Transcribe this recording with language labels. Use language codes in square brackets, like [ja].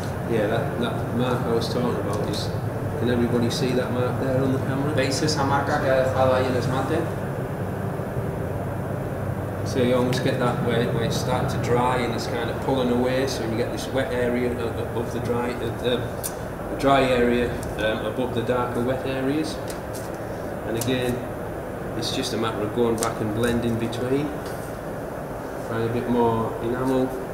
[en] Yeah, that mark I was talking about is. Can everybody see that mark there on the camera? [es] ¿Veis esa marca que ha dejado ahí el esmalte? [en] So you almost get that where it's starting to dry and it's kind of pulling away, so you get this wet area above the dry. Dry area above the darker wet areas, and again it's just a matter of going back and blending between, find a bit more enamel,